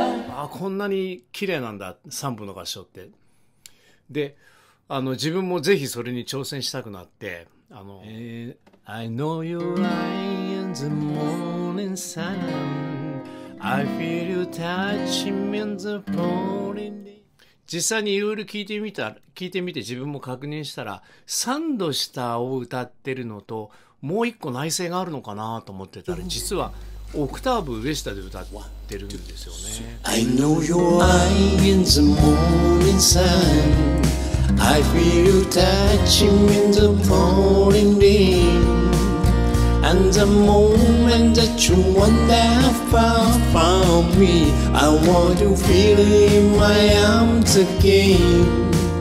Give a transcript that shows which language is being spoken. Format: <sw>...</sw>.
<ja>あ、こんなに綺麗なんだ、3部の合唱って。で、自分もぜひそれに挑戦したくなって、</ja> <en>I know you're lying in the morning sun. I feel you touching me in the morning.</en> <ja>実際にいろいろ聞いてみて、自分も確認したら、3度下を歌ってるのと、もう一個内声があるのかなと思ってたら、実はオクターブ上下で歌ってるんですよね。</ja> <en>I know you're lying in the morning sun. I feel you touching me in the morning rain. And the moment that you wander far from me, I want to feel in my arms again.</en>